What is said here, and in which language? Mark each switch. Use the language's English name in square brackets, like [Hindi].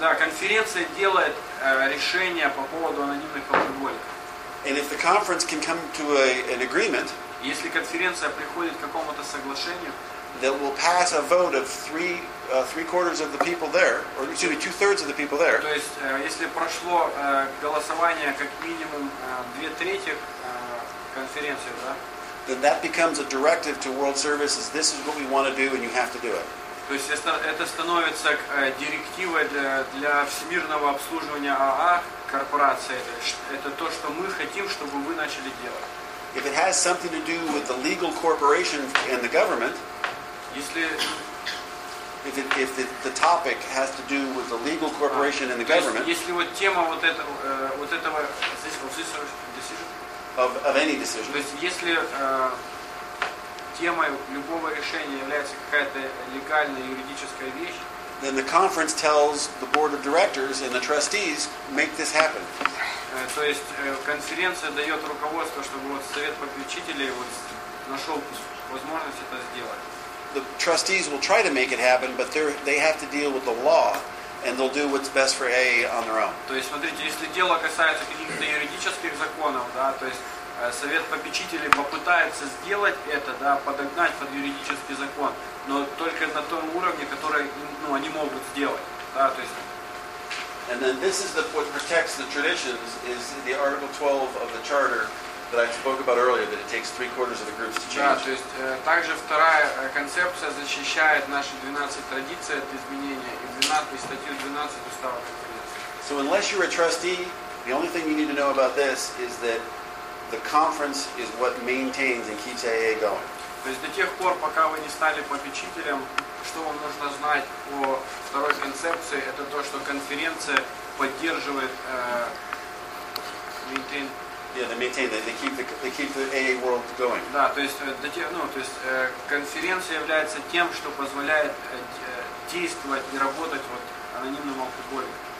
[Russian] Да, конференция делает решение по поводу анонимных алкоголиков. [English] And if the conference can come to an agreement, [Russian] если конференция приходит к какому-то соглашению, [English] that will pass a vote of three-quarters of the people there, or excuse me, two-thirds of the people there. [Russian] То есть, если прошло голосование как минимум две трети конференции, да? [English] Then that becomes a directive to World Services. This is what we want to do, and you have to do it. [Russian] То есть, это становится директивой для всемирного обслуживания АА корпорации. Это то, что мы хотим, чтобы вы начали делать. [English] If it has something to do with the legal corporation and the government, [Russian] если [English] if the topic has to do with the legal corporation and the government, [Russian] если вот тема вот этого decision, [English] of any decision, [Russian] то есть если темой любого решения является какая-то легальная юридическая вещь, [English] then the conference tells the board of directors and the trustees make this happen. [Russian] То есть конференция дает руководство, чтобы вот совет попечителей вот нашел возможность это сделать. [English] The trustees will try to make it happen, but they have to deal with the law, and they'll do what's best for AA on their own. [Russian] То есть, смотрите, если дело касается каких-то юридических законов, да, то есть совет попечителей попытается сделать это, да, подогнать под юридический закон, но только на том уровне, который, ну, они могут сделать, да, то есть. [English] And then this is what protects the traditions is the Article 12 of the Charter. That I spoke about earlier, that it takes three-quarters of the groups to change. [Russian] Да, то есть также вторая концепция защищает наши 12 традиций от изменения и 12 статью 12 устава конференции. [English] So unless you're a trustee, the only thing you need to know about this is that the conference is what maintains and keeps AA going. [Russian] То есть до тех пор, пока вы не стали попечителем, что вам нужно знать о второй концепции, это то, что конференция поддерживает maintain. [English] Yeah, they maintain that they keep the AA world going. [Russian] Да, то есть, ну, то есть конференция является тем, что позволяет действовать и работать вот анонимным алкоголиком.